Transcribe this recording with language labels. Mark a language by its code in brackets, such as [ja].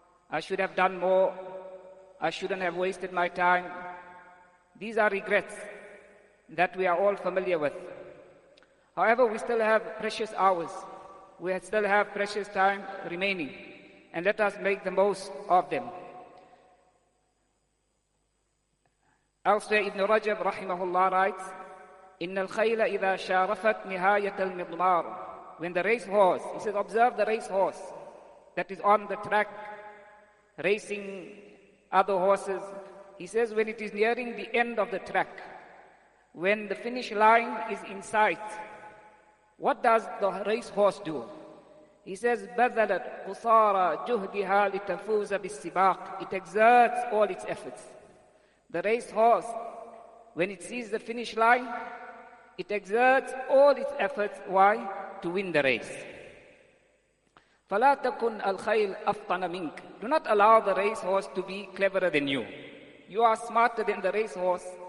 [en] I should have done more. I shouldn't have wasted my time. These are regrets that we are all familiar with. However, we still have precious hours. We still have precious time remaining. And let us make the most of them. Elsewhere, Ibn Rajab rahimahullah writes, [ar] إِنَّ الْخَيْلَ إِذَا شَارَفَتْ نِهَايَةَ الْمِضْمَارُ. [en] When the racehorse, he says, observe the racehorse that is on the track racing other horses. He says, when it is nearing the end of the track, when the finish line is in sight, what does the racehorse do? He says, [ar] بَذَلَتْ قُصَارَ جُهْدِهَا لِتَفُوزَ بِالسِّبَاقِ. [en] It exerts all its efforts. The racehorse, when it sees the finish line, it exerts all its efforts. Why? To win the race. [ar] فَلَا تَكُنْ الْخَيْلِ أَفْطَنَ مِنْكَ. [en] Do not allow the racehorse to be cleverer than you. You are smarter than the racehorse.